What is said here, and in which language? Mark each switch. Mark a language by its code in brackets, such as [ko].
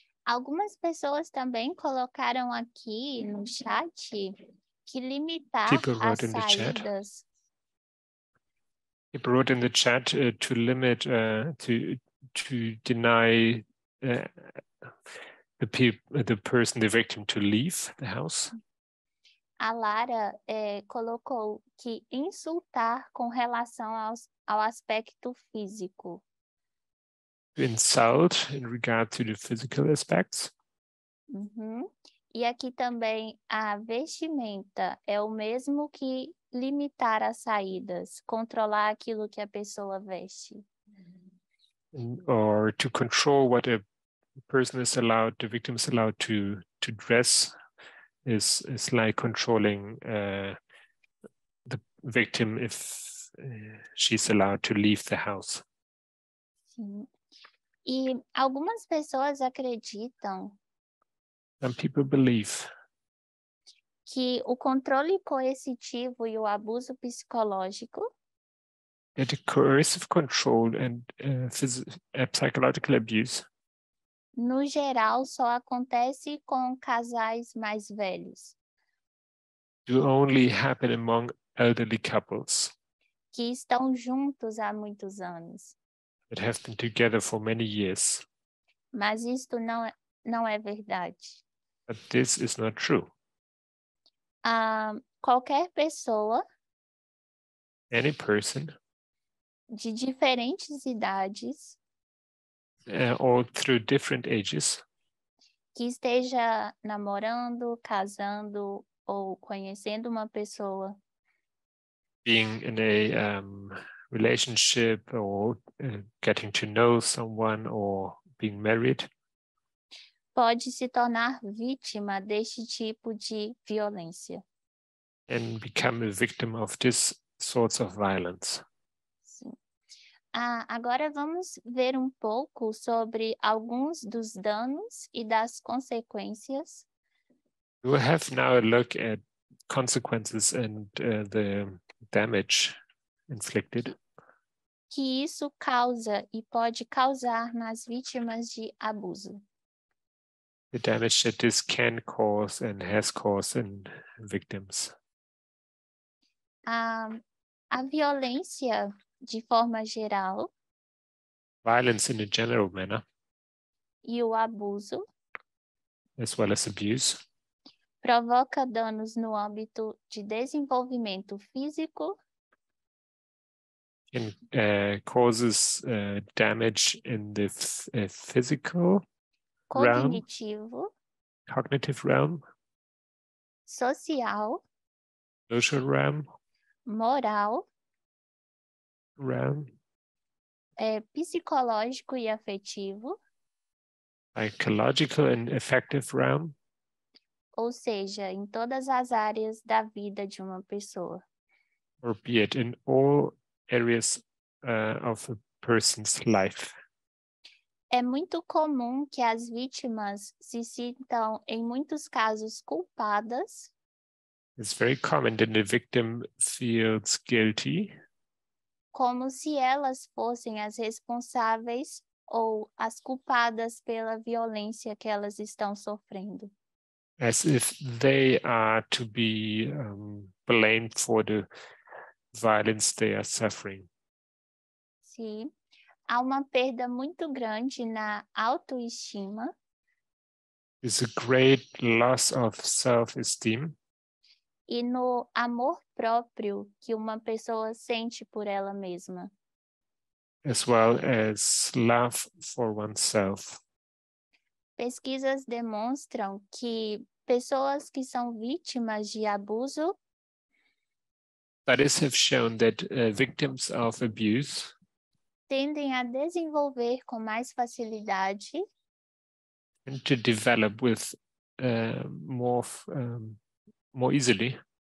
[pt] Algumas pessoas também colocaram aqui no chat que limitar as saídas. [en] People wrote in the chat to limit, to deny the person, the victim, to leave the house. [pt] A Lara colocou que insultar com relação ao aspecto físico. [en] Insult in regard to the physical aspects. Uhum. [pt] E aqui também a vestimenta é o mesmo que limitar as saídas, controlar aquilo que a pessoa veste. [en] Or to control what a person is allowed, the victim is allowed to dress, is like controlling the victim if she's allowed to leave the house. [pt] Sim. E algumas pessoas acreditam. [en] Some people believe. [pt] Que o controle coercitivo e o abuso psicológico. [en] That the coercive control and psychological abuse. [pt] No geral, só acontece com casais mais velhos. [en] Do only happen among elderly couples. [pt] Que estão juntos há muitos anos. [en] That have been together for many years. [pt] Mas isto não é verdade. [en] But this is not true. [pt] Qualquer pessoa. [en] Any person. [pt] De diferentes idades. [en] Or through different ages. [pt] Que esteja namorando, casando ou conhecendo uma pessoa. [en] Being in a relationship or getting to know someone or being married. [pt] Pode se tornar vítima deste tipo de violência. [en] And become a victim of this sorts of violence. [pt] Agora vamos ver um pouco sobre alguns dos danos e das consequências. [en] We'll have now a look at consequences and the damage inflicted. [pt] Que isso causa e pode causar nas vítimas de abuso. [en] The damage that this can cause and has caused in victims. [pt] A violência, de forma geral. [en] Violence in a general manner. [pt] E o abuso. [en] As well as abuse. [pt] Provoca danos no âmbito de desenvolvimento físico. [en] And causes damage in the physical [pt] cognitivo, [en] realm. Cognitive realm. [pt] Social. [en] Social realm. [pt] Moral. [en] Realm. [pt] Psicológico e afetivo. [en] Psychological and affective realm. [pt] Ou seja, em todas as áreas da vida de uma pessoa. [en] Or be it in all areas of a person's life. [pt] É muito comum que as vítimas se sintam, em muitos casos, culpadas. [en] It's very common that the victim feels guilty. [pt] Como se elas fossem as responsáveis ou as culpadas pela violência que elas estão sofrendo. [en] As if they are to be blamed for the violence they are suffering. [pt] Sim. Há uma perda muito grande na autoestima. [en] It's a great loss of self-esteem. [pt] E no amor próprio que uma pessoa sente por ela mesma. [en] As well as love for oneself. [pt] Pesquisas demonstram que pessoas que são vítimas de abuso. [en] Studies have shown that victims of abuse. [pt] Tendem a desenvolver com mais facilidade. [en] And to develop with more easily.